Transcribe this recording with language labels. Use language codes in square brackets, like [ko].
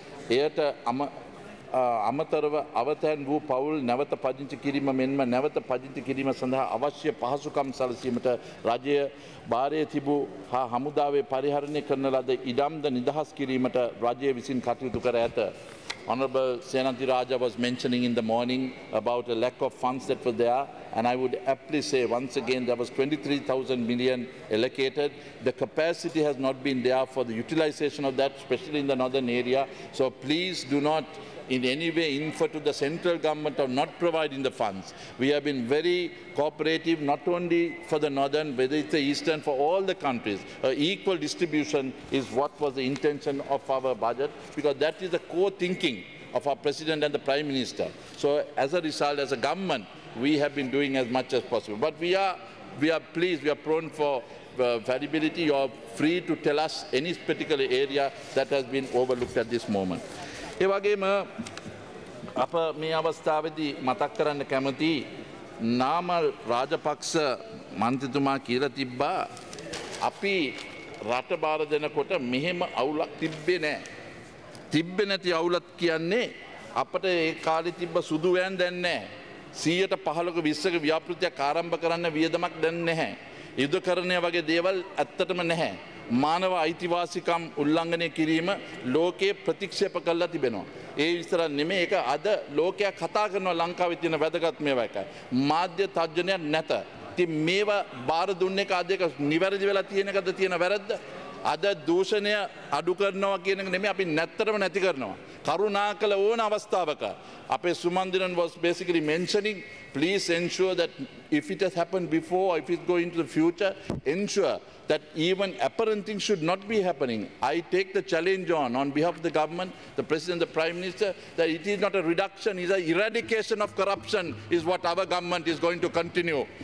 [si] එයට අමතරව අවතැන් වූ පවුල් නැවත පදිංචි කිරීම මෙන්ම නැවත පදිංචි කිරීම සඳහා අවශ්‍ය පහසුකම් සැලසීමට රජය භාරයේ තිබූ හා හමුදාවේ පරිහරණය කරන ලද ඉඩම්ද නිදහස් කිරීමට රජය විසින් කටයුතු කර ඇත. [en] Honorable Senanti Raja was mentioning in the morning about a lack of funds that were there, and I would aptly say once again there was 23,000 million allocated. The capacity has not been there for the utilization of that, especially in the northern area. So please do not in any way infer to the central government of not providing the funds. We have been very cooperative, not only for the northern, whether it's the eastern, for all the countries. Equal distribution is what was the intention of our budget, because that is the core thinking of our president and the prime minister. So as a result, as a government, we have been doing as much as possible. But we are pleased, we are prone for variability. You are free to tell us any particular area that has been overlooked at this moment. [si] ඒ වගේම අප මේ අවස්ථාවේදී මතක් කරන්න කැමති නාමල් රාජපක්ෂ මන්ත්‍රීතුමා කියලා තිබ්බා අපි රට බාර දෙනකොට මෙහෙම අවුලක් තිබ්බේ නැහැ. තිබ්බේ නැති අවුලක් කියන්නේ අපිට ඒ කාලේ තිබ්බ සුදු වෑන් දැන් නැහැ. 115ක 20ක ව්‍යාපෘතියක් ආරම්භ කරන්න වියදමක් දැන් නැහැ. යුද්ධකරණය වගේ දේවල් ඇත්තටම නැහැ. මානව අයිතිවාසිකම් උල්ලංඝනය කිරීම ලෝකයේ ප්‍රතික්ෂේප කරලා තිබෙනවා. ඒ විතරක් නෙමෙයි, ඒක අද ලෝකයා කතා කරනවා. ලංකාවේ තියෙන වැදගත් මේවා එකයි. මාධ්‍ය තර්ජනයක් නැත. ඉතින් මේවා බාර දුන්න එක අද එක නිවැරදි වෙලා තියෙන එකද තියෙන වැරද්ද? අද දූෂණය අඩු කරනවා කියන එක නෙමෙයි, අපි නැත්තරම නැති කරනවා. කරුණාකල ඕන අවස්ථාවක අපේ [en] Sumanthiran was basically mentioning, please ensure that if it has happened before or if it's going to the future, ensure that even apparent things should not be happening. I take the challenge on behalf of the government, the president, the prime minister, that it is not a reduction, it is an eradication of corruption is what our government is going to continue.